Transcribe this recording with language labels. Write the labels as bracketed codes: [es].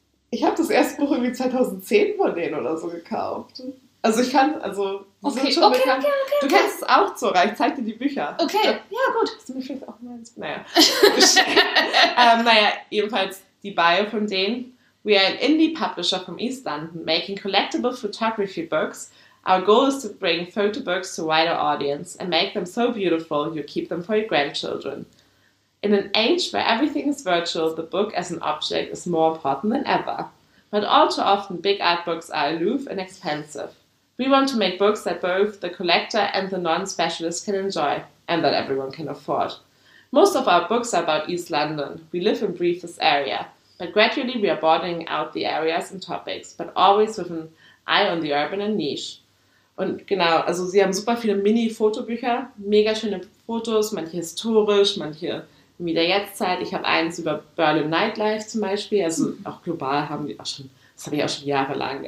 [de] Ich habe das erste Buch irgendwie 2010 von denen oder so gekauft. Also ich kann, also... Okay, sind schon okay, okay, okay. Du okay. Kennst es auch, Zora. Ich zeig dir die Bücher. Okay, ja, gut. Hast du mich vielleicht auch meins? Naja. naja, jedenfalls die Bio von denen. [en] We are an indie publisher from East London making collectible photography books. Our goal is to bring photo books to a wider audience and make them so beautiful you keep them for your grandchildren. In an age where everything is virtual, the book as an object is more important than ever. But all too often, big art books are aloof and expensive. We want to make books that both the collector and the non-specialist can enjoy, and that everyone can afford. Most of our books are about East London. We live and breathe this area, but gradually we are broadening out the areas and topics, but always with an eye on the urban and niche. [de] Und genau, also sie haben super viele Mini-Fotobücher, mega schöne Fotos, manche historisch, manche wie der Jetztzeit. Ich habe eins über Berlin Nightlife zum Beispiel. Also auch global haben wir auch schon, das habe ich auch schon jahrelang.